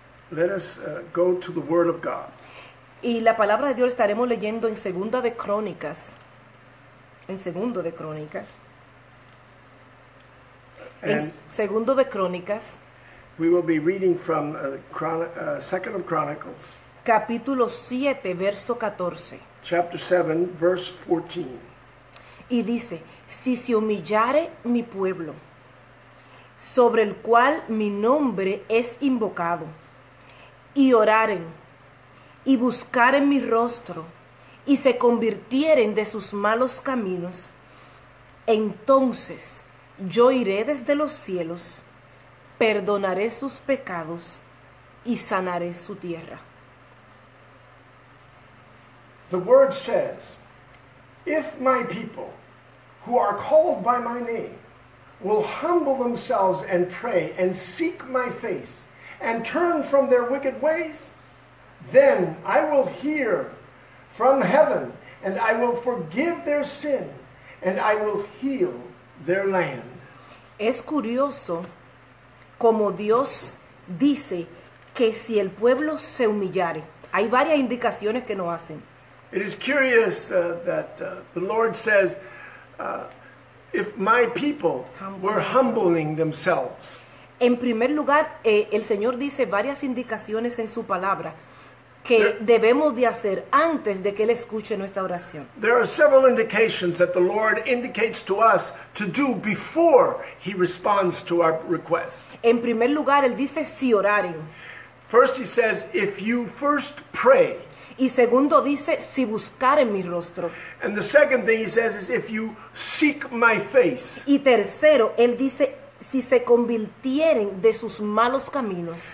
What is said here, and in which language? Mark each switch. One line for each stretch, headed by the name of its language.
English: let us go to the Word of God.
Spanish: Y la palabra de Dios estaremos leyendo en Segunda de Crónicas. En Segundo de Crónicas. En Segundo de Crónicas.
English: We will be reading from Second of Chronicles.
Spanish: Capítulo 7, verso 14.
English: Chapter 7, verse 14.
Spanish: Y dice, si se humillare mi pueblo, sobre el cual mi nombre es invocado, y oraren, y buscaren mi rostro, y se convirtieren de sus malos caminos, entonces yo iré desde los cielos, perdonaré sus pecados, y sanaré su tierra.
English: The word says, if my people, who are called by my name, will humble themselves and pray and seek my face and turn from their wicked ways, then I will hear from heaven and I will forgive their sin and I will heal their land.
Spanish: Es curioso como Dios dice que si el pueblo se humillare, hay varias indicaciones que nos hacen.
English: It is curious that the Lord says, if my people were humbling themselves.
Spanish: En primer lugar, el Señor dice varias indicaciones en su palabra que debemos de hacer antes de que Él escuche nuestra oración.
English: There are several indications that the Lord indicates to us to do before He responds to our request.
Spanish: En primer lugar, Él dice si oraren.
English: First He says, if you first pray.
Spanish: Y segundo dice, si buscaren mi rostro.
English: And the second thing he says is, if you seek my face.
Spanish: Y tercero, él dice, si se convirtieren de sus malos caminos.